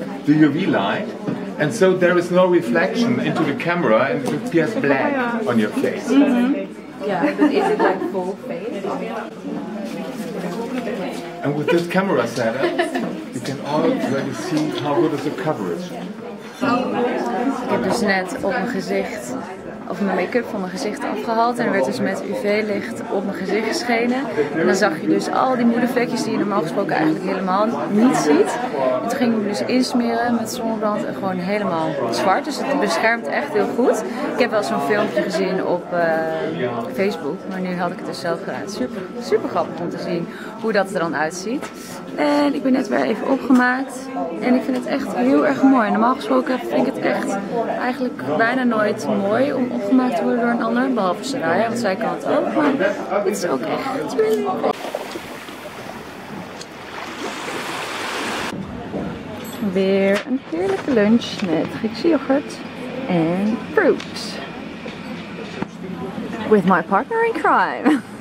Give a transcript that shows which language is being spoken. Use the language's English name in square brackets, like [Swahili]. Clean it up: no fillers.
[English] The UV light, and so there is no reflection into the camera, and it appears black on your face. Mm-hmm. Yeah, but is it like full face? And with this camera setup, you can already see how good is the coverage. [Dutch] Ik heb dus net op mijn gezicht, of mijn make-up van mijn gezicht afgehaald. En er werd dus met UV-licht op mijn gezicht geschenen. En dan zag je dus al die moedervlekjes die je normaal gesproken eigenlijk helemaal niet ziet. En toen ging ik me dus insmeren met zonnebrand en gewoon helemaal zwart. Dus het beschermt echt heel goed. Ik heb wel zo'n filmpje gezien op Facebook, maar nu had ik het dus zelf gedaan. Super, super grappig om te zien hoe dat er dan uitziet. En ik ben net weer even opgemaakt. En ik vind het echt heel erg mooi. Normaal gesproken vind ik het echt eigenlijk bijna nooit mooi om opgemaakt te worden door een ander. Behalve Saraya, want zij kan het ook. Maar het is ook echt twilling. Weer een heerlijke lunch met Griekse yoghurt en fruit. [English] With my partner in crime.